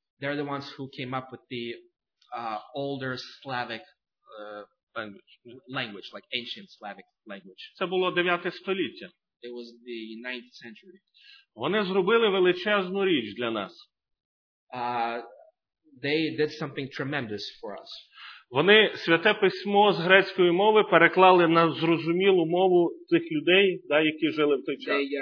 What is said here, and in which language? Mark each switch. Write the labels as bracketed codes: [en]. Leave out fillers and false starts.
[en] They're the ones who came up with the older Slavic language, like ancient Slavic language. [uk] Це було 9 століття. [en] It was the 9th century. [uk] Вони зробили величезну річ для нас. [en] They did something tremendous for us. [uk] Вони Святе Письмо з грецької мови переклали на зрозумілу мову тих людей, да, які жили в той час.